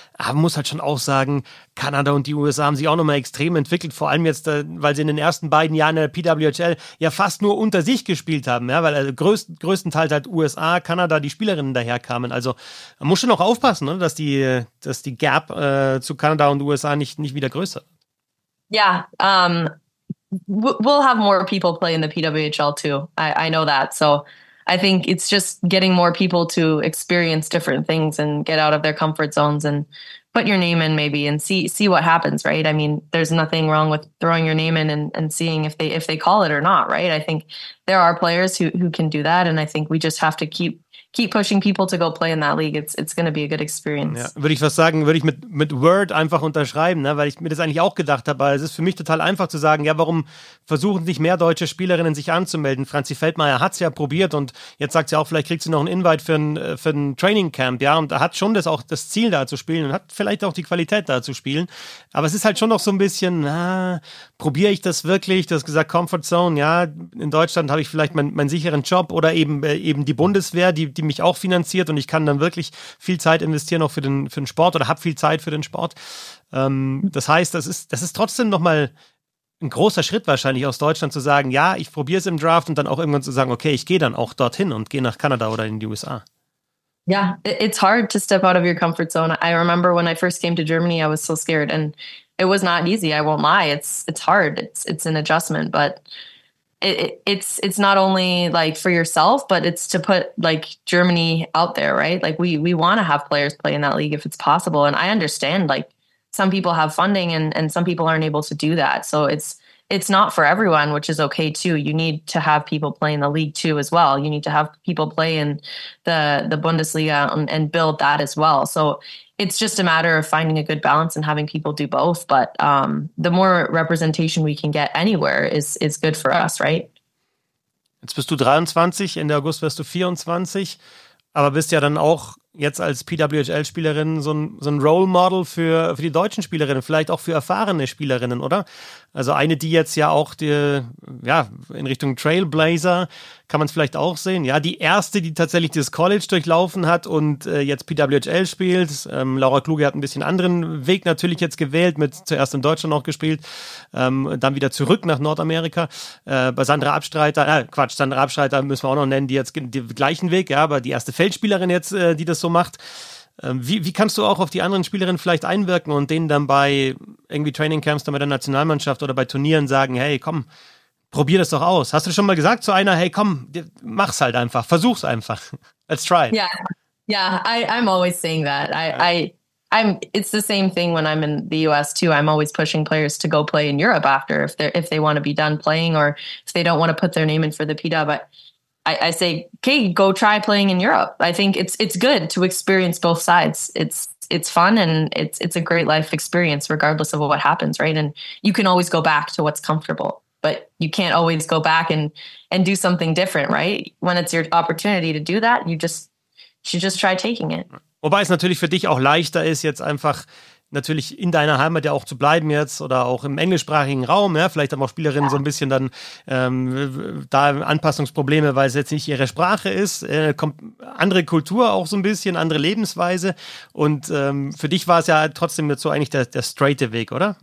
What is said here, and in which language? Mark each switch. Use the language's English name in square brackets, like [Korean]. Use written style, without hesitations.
[German] Aber man muss halt schon auch sagen, Kanada und die USA haben sich auch nochmal extrem entwickelt, vor allem jetzt, weil sie in den ersten beiden Jahren der PWHL ja fast nur unter sich gespielt haben, ja, weil also größtenteils halt USA, Kanada, die Spielerinnen daherkamen. Also man muss schon auch aufpassen, ne, dass die Gap zu Kanada und USA nicht wieder größer wird. [English] Ja, we'll have more people play in the PWHL too. I know that. So I think it's just getting more people to experience different things and get out of their comfort zones and put your name in maybe and see what happens, right? I mean, there's nothing wrong with throwing your name in and seeing if they call it or not, right? I think there are players who can do that. And I think we just have to keep pushing people to go play in that league. It's going to be a good experience. [German] Ja, würde ich was sagen, würde ich mit Word einfach unterschreiben, ne? Weil ich mir das eigentlich auch gedacht habe. Es ist für mich total einfach zu sagen, ja, warum versuchen nicht mehr deutsche Spielerinnen sich anzumelden? Franzi Feldmeier hat es ja probiert und jetzt sagt sie auch, vielleicht kriegt sie noch einen Invite für ein Training Camp, ja, und hat schon das Ziel da zu spielen und hat vielleicht auch die Qualität da zu spielen. Aber es ist halt schon noch so ein bisschen, probiere ich das wirklich? Du hast gesagt, Comfort Zone, ja, in Deutschland habe ich vielleicht meinen sicheren Job oder eben die Bundeswehr, die mich auch finanziert und ich kann dann wirklich viel Zeit investieren auch für den Sport oder habe viel Zeit für den Sport. Das heißt, das ist trotzdem nochmal ein großer Schritt wahrscheinlich aus Deutschland zu sagen, ja, ich probiere es im Draft und dann auch irgendwann zu sagen, okay, ich gehe dann auch dorthin und gehe nach Kanada oder in die USA. [English] Ja, yeah, it's hard to step out of your comfort zone. I remember when I first came to Germany, I was so scared and it was not easy. I won't lie. It's hard. It's an adjustment, but it's not only like for yourself, but it's to put like Germany out there, right? Like we want to have players play in that league if it's possible. And I understand like some people have funding and some people aren't able to do that. So it's not for everyone, which is okay too. You need to have people play in the league too as well. You need to have people play in the Bundesliga and build that as well. So it's just a matter of finding a good balance and having people do both. But the more representation we can get anywhere is good for us, right? [German] Jetzt bist du 23, Ende August wirst du 24, aber bist ja dann auch jetzt als PWHL-Spielerin so ein Role Model für die deutschen Spielerinnen, vielleicht auch für erfahrene Spielerinnen, oder? Also eine, die jetzt ja auch in Richtung Trailblazer, kann man es vielleicht auch sehen, ja, die erste, die tatsächlich das College durchlaufen hat und jetzt PWHL spielt. Laura Kluge hat ein bisschen anderen Weg natürlich jetzt gewählt, mit zuerst in Deutschland auch gespielt, dann wieder zurück nach Nordamerika. Bei Sandra Abstreiter müssen wir auch noch nennen, die jetzt den gleichen Weg, ja, aber die erste Feldspielerin jetzt, die das so macht. Wie kannst du auch auf die anderen Spielerinnen vielleicht einwirken und denen dann bei irgendwie Training Camps dann bei der Nationalmannschaft oder bei Turnieren sagen, hey, komm, probier das doch aus. Hast du schon mal gesagt zu einer, hey, komm, mach's halt einfach, versuch's einfach. [English] Let's try it. Yeah, I'm always saying that. It's the same thing when I'm in the US too. I'm always pushing players to go play in Europe after if they want to be done playing or if they don't want to put their name in for the PWHL. I say, okay, go try playing in Europe. I think it's good to experience both sides. It's it's fun and it's a great life experience, regardless of what happens, right? And you can always go back to what's comfortable, but you can't always go back and do something different, right? When it's your opportunity to do that, you just try taking it. [German] Wobei es natürlich für dich auch leichter ist, jetzt einfach natürlich in deiner Heimat ja auch zu bleiben jetzt oder auch im englischsprachigen Raum, ja, vielleicht haben auch Spielerinnen so ein bisschen dann da Anpassungsprobleme, weil es jetzt nicht ihre Sprache ist, kommt andere Kultur auch so ein bisschen, andere Lebensweise und für dich war es ja trotzdem jetzt so eigentlich der straighte Weg, oder?